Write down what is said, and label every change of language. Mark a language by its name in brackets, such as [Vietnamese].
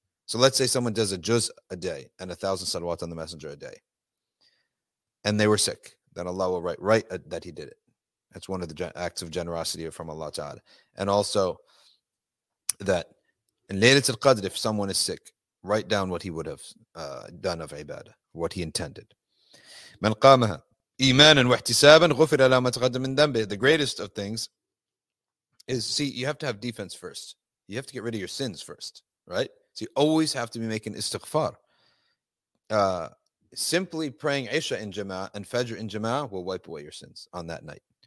[English] So let's say someone does a juz a day and 1,000 salawat on the messenger a day, and they were sick. Then Allah will write that he did it. That's one of the acts of generosity from Allah Ta'ala. And also that in Laylatul Qadr, if someone is sick, write down what he would have done of ibadah, what he intended. [Arabic] من قامها إيمانا واحتسابا غفر له ما تقدم من ذنبه. [English] The greatest of things is, see, you have to have defense first. You have to get rid of your sins first, right? So you always have to be making istighfar. Simply praying Isha in Jama'ah and Fajr in Jama'ah will wipe away your sins on that night.